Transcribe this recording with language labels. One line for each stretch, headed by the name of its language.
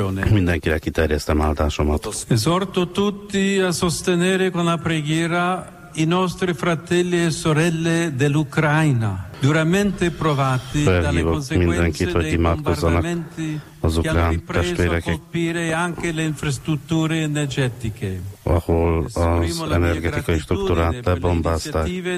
Hungarian: Mindenkire kiterjesztem áldásomat.
Italian: Esorto tutti a sostenere con la preghiera i nostri fratelli e sorelle dell'Ucraina. Duramente provati dalle conseguenze dei bombardamenti che hanno ripreso a colpire anche le infrastrutture energetiche.
Hungarian: Ahol az energetikai struktúrát lebombázták.